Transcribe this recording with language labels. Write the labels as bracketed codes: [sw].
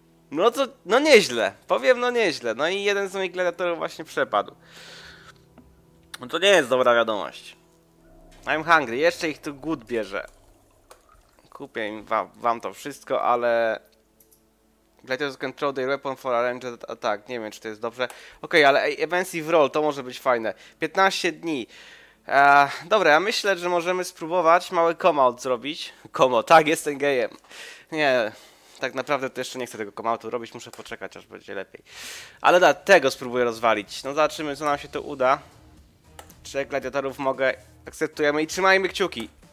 [pl] No to, no nieźle, powiem, no nieźle. No i jeden z moich gladiatorów właśnie przepadł. No to nie jest dobra wiadomość. [en] I'm hungry, [pl] jeszcze ich tu głód bierze. Kupię im wam to wszystko, ale... [en] Gladiators control their weapon for a ranged attack. [pl] Nie wiem, czy to jest dobrze. Okej, ale [en] events in roll, [pl] to może być fajne. 15 dni. Dobra, ja myślę, że możemy spróbować mały come-out zrobić. Come-out, tak, jestem gejem. Nie... Tak naprawdę to jeszcze nie chcę tego komautu robić, muszę poczekać, aż będzie lepiej. Ale da, tego spróbuję rozwalić. No zobaczymy, co nam się to uda. 3 gladiatorów mogę, akceptujemy i trzymajmy kciuki.